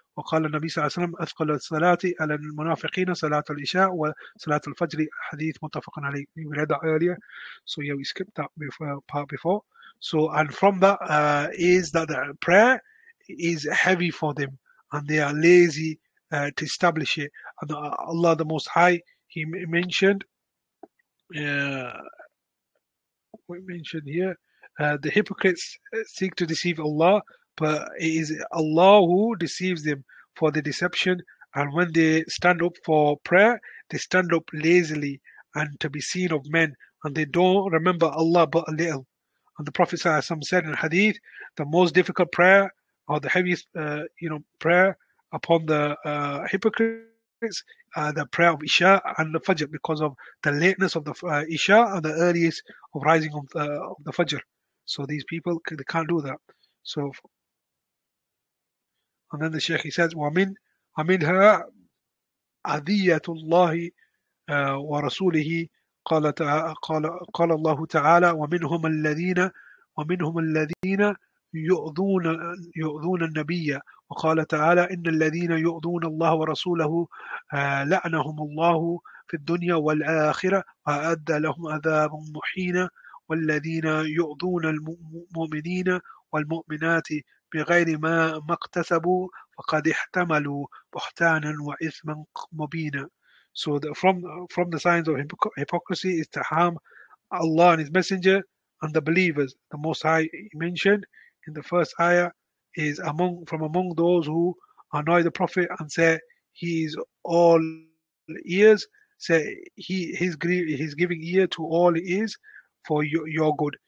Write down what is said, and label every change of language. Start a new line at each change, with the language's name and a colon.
Arabic: وقال النبي صلى الله عليه وسلم, اثقل الصلاه على المنافقين صلاه العشاء وصلاه الفجر. حديث متفق عليه.
English: We read that earlier, so yeah, we skipped that part before. So and from that is that the prayer is heavy for them and they are lazy to establish it. And Allah the Most High, he mentioned mentioned here, the hypocrites seek to deceive Allah, but it is Allah who deceives them for the deception. And when they stand up for prayer, they stand up lazily and to be seen of men, and they don't remember Allah but a little. And the Prophet said in hadith, the most difficult prayer or the heaviest prayer upon the hypocrite the prayer of Isha and the Fajr because of the lateness of the Isha and the earliest of rising of the Fajr. So these people, they can't do that. So, and then the Sheikh, he says,
Arabic: وَمِنْ أَمِنْهَا أَذِيَّةُ اللَّهِ وَرَسُولِهِ قَالَ اللَّهُ تَعَالَى وَمِنْهُمَ الَّذِينَ يؤذون النبي، وقال تعالى إن الذين يؤذون الله ورسوله لعنهم الله في الدنيا والآخرة وأعد لهم عذابا مهينا، والذين يؤذون المؤمنين والمؤمنات بغير ما اكتسبوا فقد احتملوا بهتانا وإثما مبينا.
English: So from the signs of hypocrisy is to harm Allah and His Messenger and the believers. The Most High mentioned in the first ayah is from among those who annoy the Prophet and say he is all ears, say his giving ear to all ears for your good.